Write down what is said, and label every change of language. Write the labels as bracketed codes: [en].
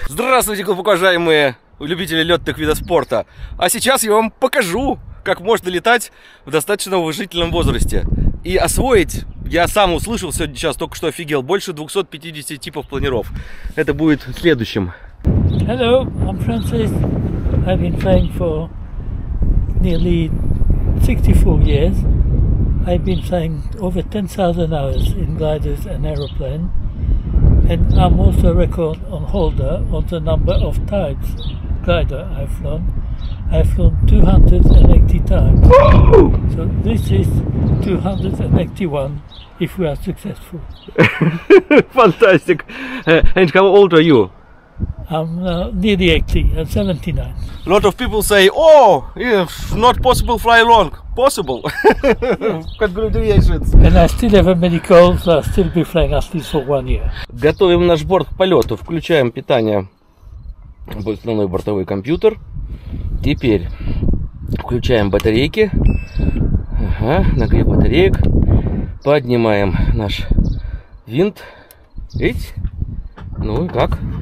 [ru] Здравствуйте, уважаемые любители летных видов спорта. А сейчас я вам покажу, как можно летать в достаточно уважительном возрасте. И освоить, я сам услышал сегодня, сейчас только что офигел, больше 250 типов планеров. Это будет следующим. [en] Hello, I'm Francis. I've been flying for nearly 64 years. I've been flying over 10,000 hours in gliders and aeroplane. And I'm also a record holder on the number of types glider I've flown. I've flown 280 times. Woo! So this is 281 if we are successful. Fantastic. And how old are you? I'm nearly 80, I'm 79. A lot of people say, oh, yeah, not possible fly long. Possible. Congratulations. And I still have a medical, so I'll still be flying at least for one year. [ru] Готовим наш борт к полету. Включаем питание в основной бортовой компьютер. Теперь включаем батарейки. Ага, нагрев батареек. Поднимаем наш винт. Видь? Ну и как?